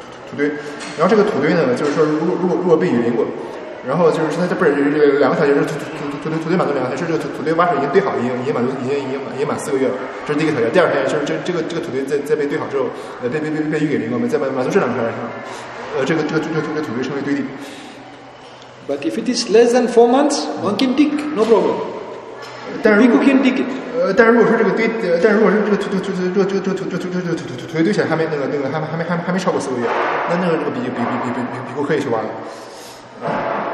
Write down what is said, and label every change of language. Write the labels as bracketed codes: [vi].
[zh] 土堆，然后这个土堆呢，就是说如果被雨淋过，然后就是它这不是这两个条件，是土堆满足两个条件，是这个土堆挖上已经堆好，已经满四个月了，这是第一个条件。第二条件就是这个土堆在被堆好之后，被雨给淋过，我们再满足这两个条件，这个土堆称为堆地。 [en] But if it is less than 4 months, one can dig, no problem. People can dig it. [zh] 但是如果说这个土堆堆起来还没超过四个月，那个比可以去挖了。